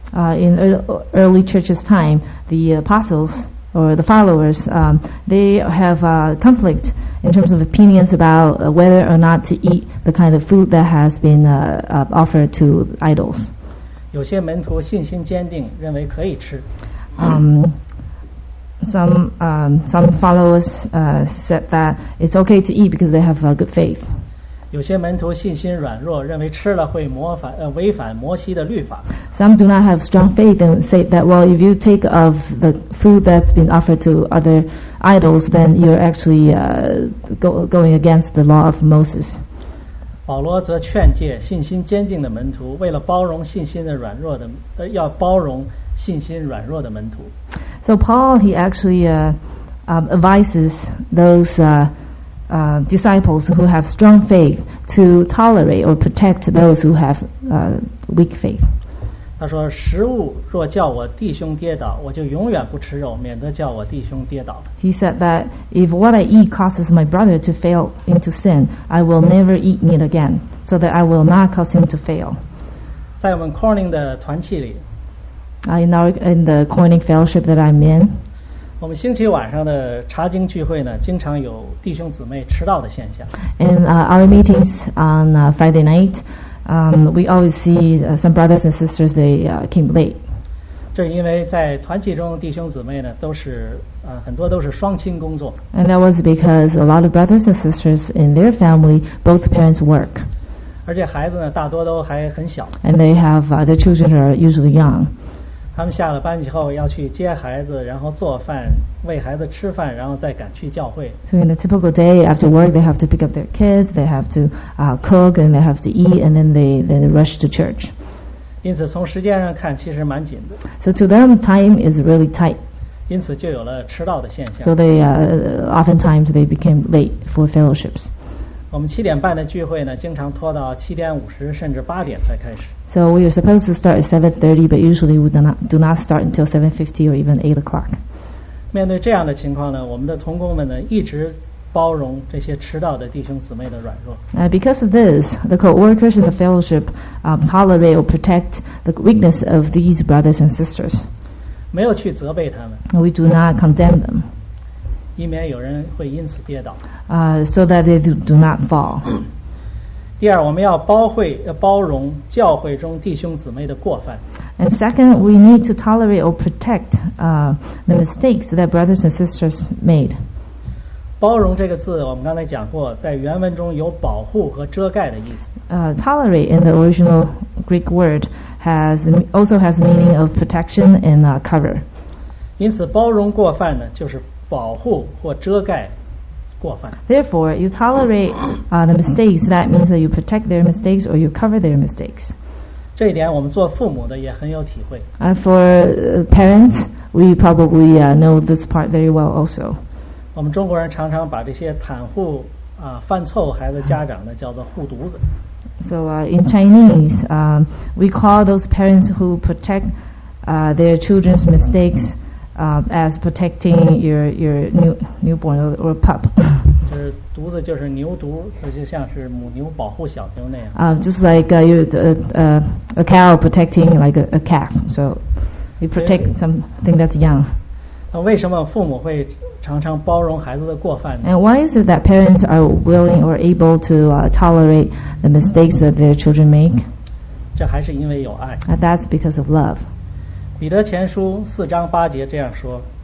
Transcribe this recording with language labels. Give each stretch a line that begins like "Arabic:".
English: In early church's time, the apostles or the followers, they have a conflict in terms of opinions about whether or not to eat the kind of food that has been offered to idols.
Chinese: 有些门徒信心坚定，认为可以吃。
English: Some followers said that it's okay to eat because they have a good faith.
Chinese: 有些门徒信心软弱，认为吃了会违反摩西的律法。
English: Some do not have strong faith and say that, well, if you take of the food that's been offered to other idols, then you're actually going against the law of Moses.
Chinese: 保罗则劝诫信心坚定的门徒，为了包容信心的软弱的，要包容信心软弱的门徒。
English: So Paul, he actually advises those disciples who have strong faith to tolerate or protect those who have weak faith.
Chinese: 他说：“食物若叫我弟兄跌倒，我就永远不吃肉，免得叫我弟兄跌倒。”
English: He said that if what I eat causes my brother to fail into sin, I will never eat meat again, so that I will not cause him to fail.
Chinese: 在我们 Corning 的团契里
English: ，in the Corning Fellowship that I'm in。
Chinese: 我们星期晚上的查经聚会呢，经常有弟兄姊妹迟到的现象。
English: In our meetings on Friday night, we always see some brothers and sisters they came late.
Chinese: 这是因为在团契中弟兄姊妹呢都是很多都是双亲工作。
English: And that was because a lot of brothers and sisters in their family both parents work.
Chinese: 而且孩子呢大多都还很小。
English: And they have their children are usually young.
Chinese: 他们下了班以后要去接孩子，然后做饭，喂孩子吃饭，然后再赶去教会。
English: So in a typical day after work, they have to pick up their kids, they have to cook, and they have to eat, and then they rush to church.
Chinese: 因此，从时间上看，其实蛮紧的。
English: So to them, time is really tight.
Chinese: 因此，就有了迟到的现象。
English: So they oftentimes they became late for fellowships.
Chinese: 我们七点半的聚会呢，经常拖到七点五十甚至八点才开始。
English: So we are supposed to start at 7:30, but usually we do not start until 7:50 or even 8 o'clock.
Chinese: 面对这样的情况呢，我们的同工们呢一直包容这些迟到的弟兄姊妹的软弱。
English: Because of this, the co-workers in the fellowship tolerate or protect the weakness of these brothers and sisters.
Chinese: 没有去责备他们。
English: We do not condemn them.
Chinese: 以免有人会因此跌倒。
English: So that they do not fall.
Chinese: 第二，我们要包容教会中弟兄姊妹的过犯。
English: And second, we need to tolerate or protect the mistakes that brothers and sisters made.
Chinese: 包容这个字，我们刚才讲过，在原文中有保护和遮盖的意思。
English: Tolerate in the original Greek word also has meaning of protection and cover.
Chinese: 因此，包容过犯呢，就是保护或遮盖。
English: Therefore, you tolerate the mistakes. That means that you protect their mistakes or you cover their mistakes.
Chinese: 这一点我们做父母的也很有体会。
English: For parents, we probably know this part very well also.
Chinese: 我们中国人常常把这些袒护犯错孩子家长呢叫做护犊子。
English: So in Chinese, we call those parents who protect their children's mistakes. As protecting your newborn or pup.
Chinese: 就是犊子就是牛犊，这就像是母牛保护小牛那样。
English: Just like a cow protecting like a calf. So you protect something that's young.
Chinese: 那为什么父母会常常包容孩子的过犯呢？
English: And why is it that parents are willing or able to tolerate the mistakes that their children make?
Chinese: 这还是因为有爱。
English: That's because of love.
Chinese: 彼得前书四章八节这样说